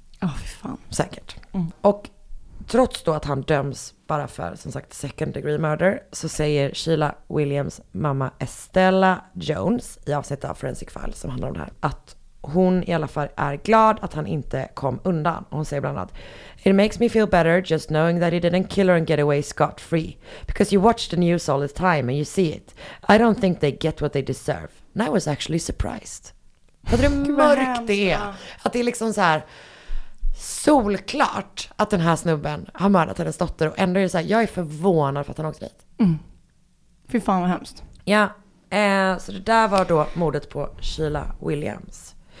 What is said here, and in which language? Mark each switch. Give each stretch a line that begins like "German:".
Swedish: Ja, oh, fy fan. Säkert. Mm. Och trots då att han döms bara för, som sagt, second degree murder, så säger Sheila Williams mamma Estella Jones i avsnittet av Forensic File som handlar om det här, att hon i alla fall är glad att han inte kom undan.
English: Hon säger bland annat: "It makes me feel better just knowing that he didn't kill her and get away scot-free. Because you watch the news all the time and you see it. I don't think they get what they deserve. And I was actually surprised."
Swedish: Vad mörkt det är. Att det är liksom så här solklart att den här snubben har mördat hennes dotter. Och ändå är det så här, jag är förvånad för att han åkte dit. Mm. Fy fan vad hemskt. Ja, så det där var då mordet på Sheila Williams.